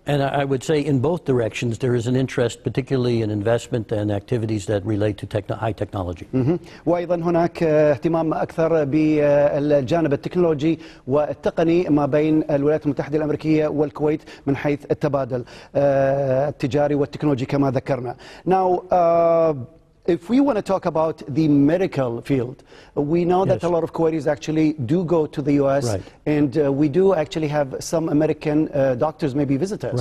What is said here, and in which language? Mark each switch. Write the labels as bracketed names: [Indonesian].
[English] And I would say in both directions there is an interest particularly in investment and activities that relate to high technology. [Arabic] وأيضا هناك اهتمام أكثر بالجانب التكنولوجي والتقني ما بين الولايات المتحدة الأمريكية والكويت من حيث التبادل التجاري والتكنولوجي كما ذكرنا. [English] Now, if we want to talk about the medical field, we know yes. that a lot of Kuwaitis actually do go to the U.S. Right. And we do actually have some American doctors maybe visit us.